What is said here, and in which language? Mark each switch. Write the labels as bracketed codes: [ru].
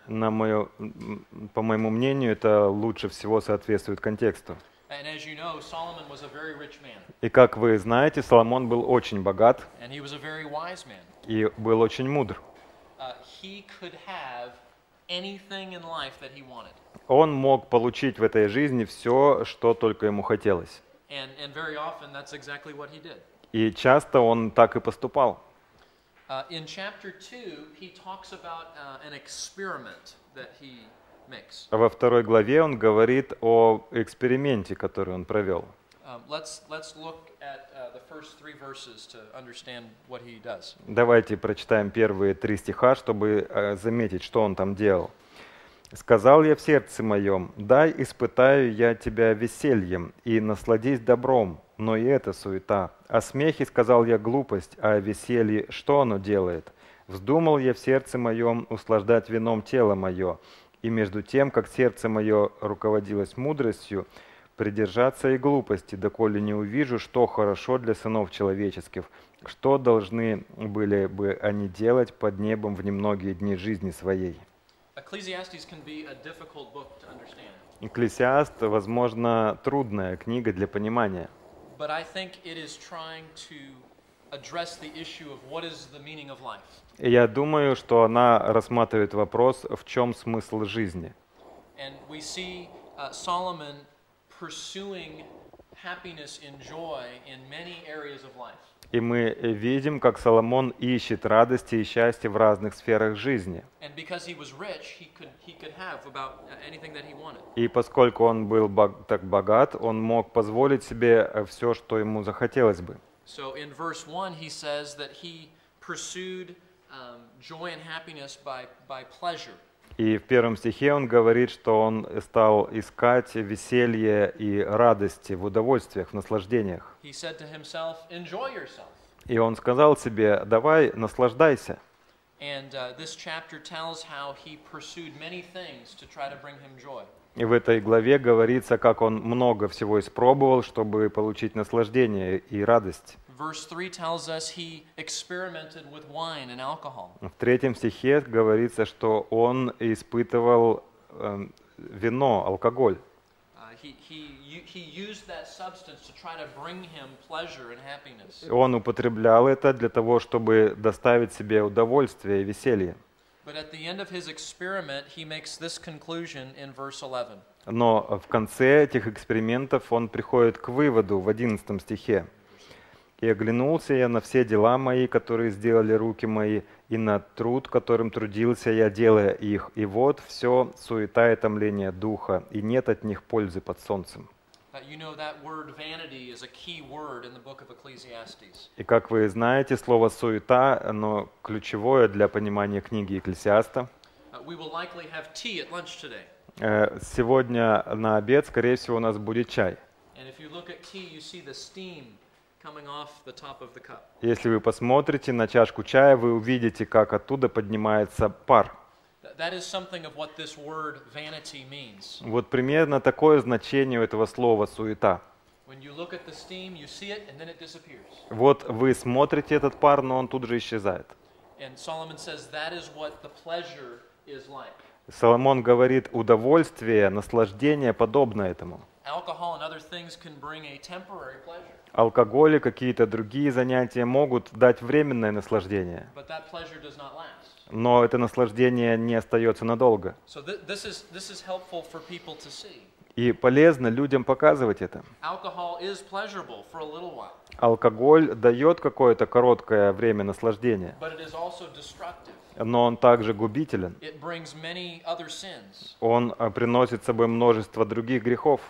[ru] По моему мнению, это лучше всего соответствует контексту. [en] You know, Solomon was a very rich man. [ru] И как вы знаете, Соломон был очень богат. [en] And he was a very wise man. [ru] И был очень мудр. [en] He could have anything in life that he wanted. [ru] Он мог получить в этой жизни все, что только ему хотелось. [en] And very often that's exactly what he did. [ru] И часто он так и поступал. [en] In chapter 2, he talks about an experiment that he makes. [ru] Во второй главе он говорит о эксперименте, который он провел. [en] Let's look at the first three verses to understand what he does. [ru] Давайте прочитаем первые три стиха, чтобы заметить, что он там делал. «Сказал я в сердце моем, дай испытаю я тебя весельем и насладись добром, но и это суета. О смехе сказал я глупость, а о веселье что оно делает? Вздумал я в сердце моем услаждать вином тело мое, и между тем, как сердце мое руководилось мудростью, придержаться и глупости, доколе не увижу, что хорошо для сынов человеческих, что должны были бы они делать под небом в немногие дни жизни своей». [en] Ecclesiastes can be a difficult book to understand. [ru] Экклесиаст, возможно, трудная книга для понимания. [en] but I think it is trying to address the issue of what is the meaning of life. [ru] Я думаю, что она рассматривает вопрос, в чём смысл жизни. [en] And we see Solomon pursuing happiness and joy in many areas of life. [ru] И мы видим, как Соломон ищет радости и счастье в разных сферах жизни. [en] And because he was rich, he could have about anything that he wanted. [ru] И поскольку он был так богат, он мог позволить себе всё, что ему захотелось бы. [en] So in verse 1 he says that he pursued joy and happiness by pleasure. [ru] И в первом стихе он говорит, что он стал искать веселье и радости в удовольствиях, в наслаждениях. [en] He said to himself, "Enjoy yourself." [ru] И он сказал себе: "Давай, наслаждайся." [en] And this chapter tells how he pursued many things to try to bring him joy. [ru] И в этой главе говорится, как он много всего испробовал, чтобы получить наслаждение и радость. [en] Verse 3 tells us he experimented with wine and alcohol. [ru] В третьем стихе говорится, что он испытывал вино, алкоголь. [en] He used that substance to try to bring him pleasure and happiness. [ru] Он употреблял это для того, чтобы доставить себе удовольствие и веселье. [en] But at the end of his experiment, he makes this conclusion in verse 11. [ru] Но в конце этих экспериментов он приходит к выводу в 11 стихе. И оглянулся я на все дела мои, которые сделали руки мои, и на труд, которым трудился я, делая их. И вот все суета и томление духа, и нет от них пользы под солнцем. [en] You know, that word vanity is a key word in the book of Ecclesiastes. [ru] И как вы знаете, слово суета, оно ключевое для понимания книги Екклесиаста. [en] We will likely have tea at lunch today. [ru] Сегодня на обед, скорее всего, у нас будет чай. [en] And if you look at tea, you see the steam coming off the top of the cup. [ru] Если вы посмотрите на чашку чая, вы увидите, как оттуда поднимается пар. [en] That is something of what this word vanity means. [ru] Вот примерно такое значение у этого слова суета. [en] When you look at the steam, you see it and then it disappears. [ru] Вот вы смотрите этот пар, но он тут же исчезает. [en] And Solomon says that is what the pleasure is like. [ru] Соломон говорит, удовольствие, наслаждение подобно этому. [en] Alcohol and other things can bring a temporary pleasure. [ru] Алкоголь и какие-то другие занятия могут дать временное наслаждение. [en] But that pleasure does not last. [ru] Но это наслаждение не остается надолго. [en] So this is helpful for people to see. [ru] И полезно людям показывать это. [en] Alcohol is pleasurable for a little while. [ru] Алкоголь дает какое-то короткое время наслаждения. [en] But it is also destructive. [ru] Но он также губителен. [en] It brings many other sins. [ru] Он приносит с собой множество других грехов.